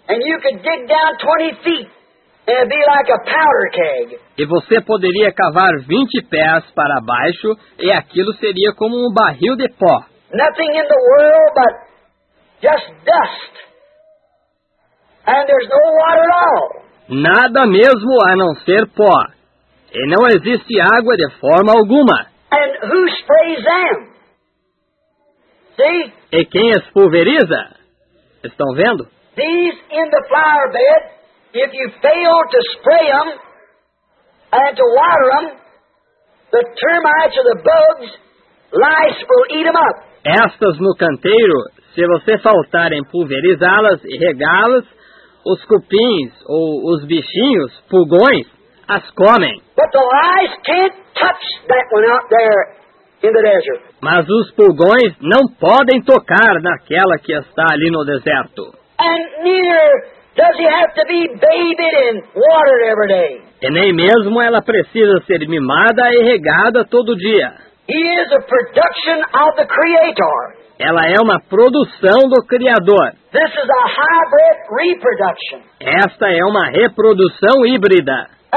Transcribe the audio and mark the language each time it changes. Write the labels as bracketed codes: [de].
[en] And you could dig down 20 feet and be like a powder keg. [pt] E você poderia cavar 20 pés para baixo, e aquilo seria como um barril de pó. [en] Nothing in the world but just dust. And there's no water at all. [pt] Nada mesmo a não ser pó. E não existe água de forma alguma. [en] And who sprays them? See? [pt] E quem as pulveriza? Estão vendo? [en] These in the flower bed, if you fail to spray them and to water them, the termites or the bugs, lice will eat them up. [pt] Estas no canteiro, se você faltar em pulverizá-las e regá-las, os cupins ou os bichinhos, pulgões, as comem. [en] But the lice can't touch that one out there. In the desert. [pt] Mas os pulgões não podem tocar naquela que está ali no deserto. [en] And neither does he have to be babied and watered every day. [pt] E nem mesmo ela precisa ser mimada e regada todo dia. [en] He is a production of the Creator. [pt] Ela é uma produção do Criador. [en] This is a hybrid reproduction. [pt] Esta é uma reprodução híbrida.